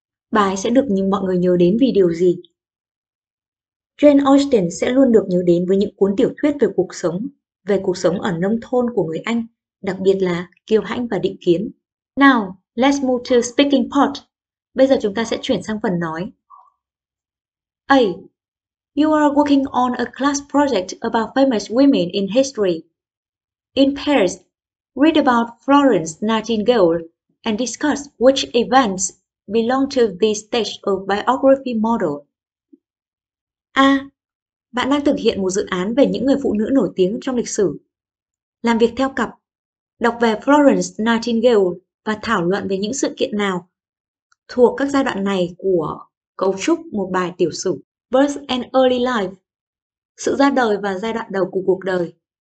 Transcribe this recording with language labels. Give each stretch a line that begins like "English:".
Vietnamese: Bà ấy sẽ được mọi người nhớ đến vì điều gì? Jane Austen sẽ luôn được nhớ đến với những cuốn tiểu thuyết về cuộc sống ở nông thôn của người Anh, đặc biệt là Kiêu Hãnh và Định Kiến.
English: Now, let's move to speaking part.
Vietnamese: Bây giờ chúng ta sẽ chuyển sang phần nói. A.
English: You are working on a class project about famous women in history. In pairs, read about Florence Nightingale and discuss which events belong to this stage of biography model. A.
Vietnamese: Bạn đang thực hiện một dự án về những người phụ nữ nổi tiếng trong lịch sử. Làm việc theo cặp, đọc về Florence Nightingale và thảo luận về những sự kiện nào thuộc các giai đoạn này của cấu trúc một bài tiểu sử.
English: Birth and early life,
Vietnamese: sự ra đời và giai đoạn đầu của cuộc đời.